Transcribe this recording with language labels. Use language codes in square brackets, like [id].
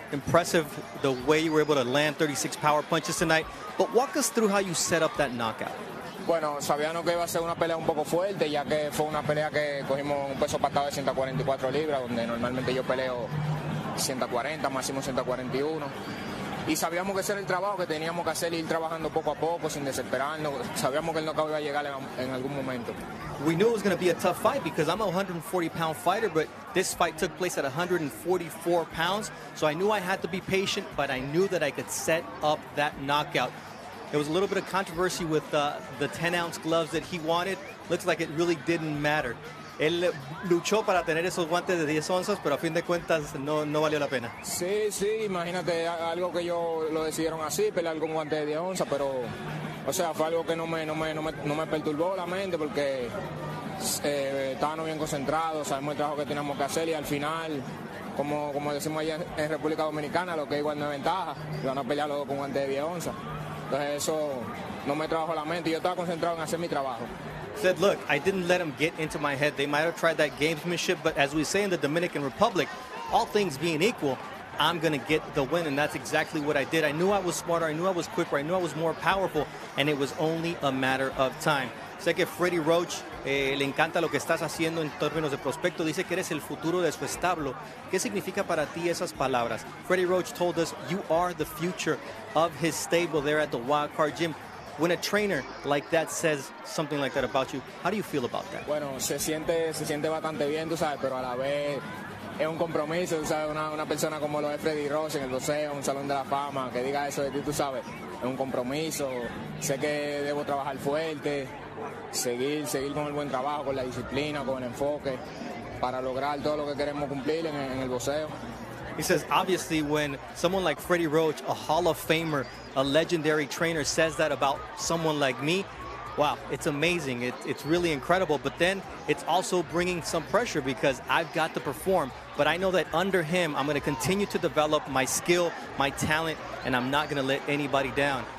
[en] Impressive the way you were able to land 36 power punches tonight. But walk us through how you set up that knockout. [es] Bueno, sabíamos que iba a ser una pelea un poco fuerte, ya que fue una pelea que cogimos un peso pactado de 144 libras, donde normalmente yo peleo 140, máximo 141. Y sabíamos que ese era el trabajo que teníamos que hacer, ir trabajando poco a poco, sin desesperarnos. Sabíamos que el knockout iba a llegar en algún momento. [en] We knew it was going to be a tough fight because I'm a 140-pound fighter, but this fight took place at 144 pounds. So I knew I had to be patient, but I knew that I could set up that knockout. There was a little bit of controversy with the 10-ounce gloves that he wanted. Looks like it really didn't matter. [es] Él luchó para tener esos guantes de 10 onzas, pero a fin de cuentas no valió la pena. Sí, sí, imagínate, algo que yo lo decidieron así, pelear con guantes de 10 onzas, pero, o sea, fue algo que no me perturbó la mente porque estábamos bien concentrados, sabemos el trabajo que teníamos que hacer y al final, como decimos allá en República Dominicana, lo que igual no es ventaja, iban a pelear los dos con guantes de 10 onzas. Entonces eso no me trabajó la mente, yo estaba concentrado en hacer mi trabajo. [en] Said, look, I didn't let them get into my head. They might have tried that gamesmanship, but as we say in the Dominican Republic, all things being equal, I'm going to get the win, and that's exactly what I did. I knew I was smarter. I knew I was quicker. I knew I was more powerful, and it was only a matter of time. [es] Sé que Freddie Roach le encanta lo que estás haciendo en términos de prospecto. Dice que eres el futuro de su establo. ¿Qué significa para ti esas palabras? [en] Freddie Roach told us you are the future of his stable there at the Wild Card Gym. When a trainer like that says something like that about you, how do you feel about that? [es] Bueno, se siente bastante bien, tú sabes, pero a la vez es un compromiso, tú sabes, una persona como lo es Freddy Roach en el boxeo, un salón de la fama, que diga eso de ti, tú sabes, es un compromiso. Sé que debo trabajar fuerte, seguir con el buen trabajo, con la disciplina, con el enfoque, para lograr todo lo que queremos cumplir en el boxeo. [en] He says, obviously, when someone like Freddie Roach, a Hall of Famer, a legendary trainer, says that about someone like me, wow, it's amazing. It's really incredible. But then it's also bringing some pressure because I've got to perform. But I know that under him, I'm going to continue to develop my skill, my talent, and I'm not going to let anybody down.